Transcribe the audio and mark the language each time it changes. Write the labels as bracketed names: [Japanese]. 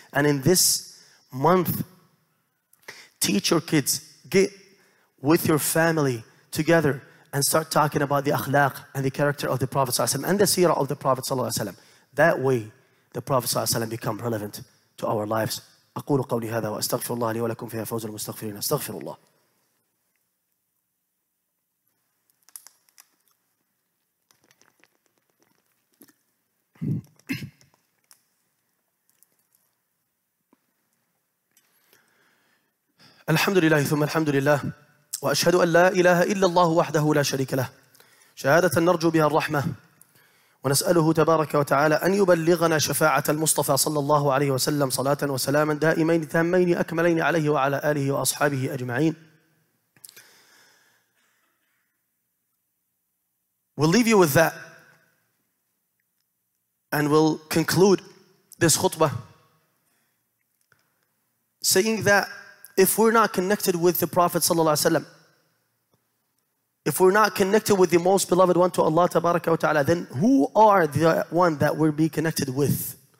[English] And in this month, teach your kids, get with your family together and start talking about the akhlaq and the character of the Prophet sallallahu alayhi wa sallam and the seerah of the Prophet sallallahu alayhi wa sallam. That way, the Prophet sallallahu alayhi wa sallam become relevant to our lives. [Arabic] أقول قولي هذا وأستغفر الله لي ولكم فيها فوز المستغفرين أستغفر الله. الحمد لله ثم الحمد لله وأشهد أن لا إله إلا الله وحده لا شريك له شهادة نرجو بها الرحمة ونسأله تبارك وتعالى أن يبلغنا شفاعة المصطفى صلى الله عليه وسلم صلاة وسلاما دائمين تامين أكملين عليه وعلى آله وأصحابه أجمعين. [English] We'll leave you with that and we'll conclude this khutbah saying that if we're not connected with the Prophet صلى الله عليه وسلم, if we're not connected with the most beloved one to Allah tabaraka wa ta'ala, then who are the one that we'll be connected with?